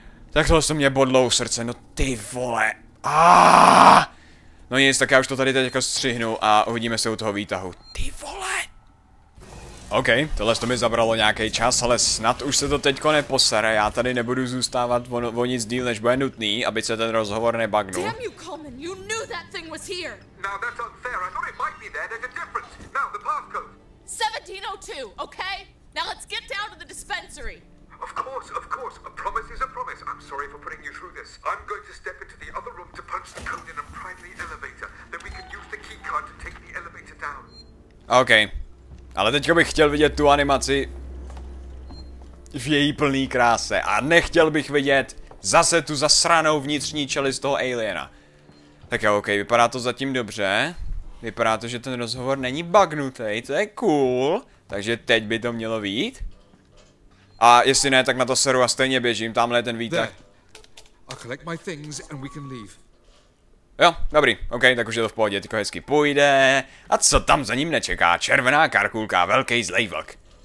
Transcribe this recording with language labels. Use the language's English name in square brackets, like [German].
[Czech] Tak tohle se mě bodlo u srdce, no ty vole, aaaaaa! No nic, tak já už to tady teď jako střihnu a uvidíme se u toho výtahu. Ty vole! OK, tohle to mi zabralo nějaký čas, ale snad už se to teďko neposere, já tady nebudu zůstávat o nic díl, než bude nutný, aby se ten rozhovor nebagnul. [English] Damn you, Coleman, you knew that thing was here! Now that's unfair, I thought it might be there, there's a difference. Now the passcode! 1702, OK? Now let's get down to the dispensary! Of course, a promise is a promise. I'm sorry for putting you through this. I'm going to step into the other room to punch the code in and prime the elevator. Then we can use the key card to take the elevator down. OK. [Czech] Ale teďka bych chtěl vidět tu animaci v její plný kráse a nechtěl bych vidět zase tu zasranou vnitřní čelist toho aliena. Tak jo, OK, vypadá to zatím dobře. Vypadá to, že ten rozhovor není bugnutý, to je cool. Takže teď by to mělo vyjít. A jestli ne, tak na to seru a stejně běžím, tamhle je ten výtah. [English] I collect my things and we can leave. [Czech] Jo, dobrý, ok, tak už je to v pohodě, tyko hezky půjde. A co tam za ním nečeká? Červená karkulka, velký zlej vlk.